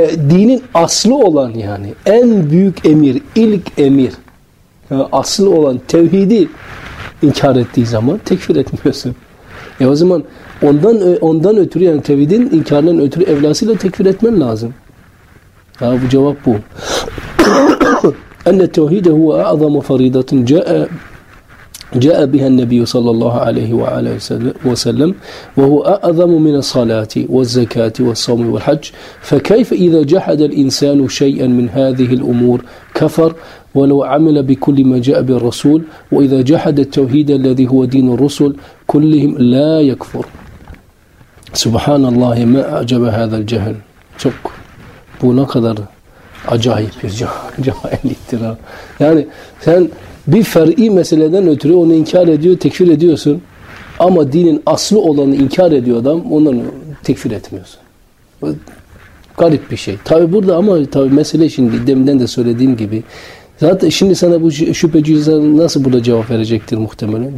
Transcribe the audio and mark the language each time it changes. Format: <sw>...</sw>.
<tr>Dinin aslı olan, yani en büyük emir, ilk emir, yani aslı olan tevhidi inkar ettiği zaman tekfir etmiyorsun. O zaman ondan ötürü, yani tevhidin inkarından ötürü evlasıyla tekfir etmen lazım. Ha, bu cevap bu.</tr> <ar>اَنَّ التَّوْهِيدَ هُوَ اَعْظَمُ فَرِيدَةٌ جَاءَ بِهَا النَّبِيُّ صَلَّى اللّٰهُ عَلَيْهِ وَعَلَى وَسَلَّمْ وَهُوَ اَعْظَمُ مِنَ الصَّلَاةِ وَالزَّكَاةِ وَالصَّوْمِ وَالْحَجِ فَكَيْفَ اِذَا جَحَدَ الْإِنسَانُ شَيْئًا مِنْ هَذِهِ الْأُمُورِ كَفَرْ وَلَوْ عَمِلَ بِكُلِّ مَا جَاءَ بِالرَّسُولِ وَإِذَا جَحَدَ التَّوْهِيدَ الَّذِي هُوَ دِينُ الرُّسُلِ كُلِّهِمْ لَا يَكْفُرْ سُبْحَانَ اللّٰهِ مَا عَجَبَ هَذَا الْجَهَلِ</ar> <tr>Çok, bu ne kadar acayip bir cahilliktir. Yani sen bir fer'i meseleden ötürü onu inkar ediyor, tekfir ediyorsun. Ama dinin aslı olanı inkar ediyor adam, onları tekfir etmiyorsun. Garip bir şey. Tabi burada, ama tabi mesele şimdi deminden de söylediğim gibi. Zaten şimdi sana bu şüpheci nasıl burada cevap verecektir muhtemelen?</tr>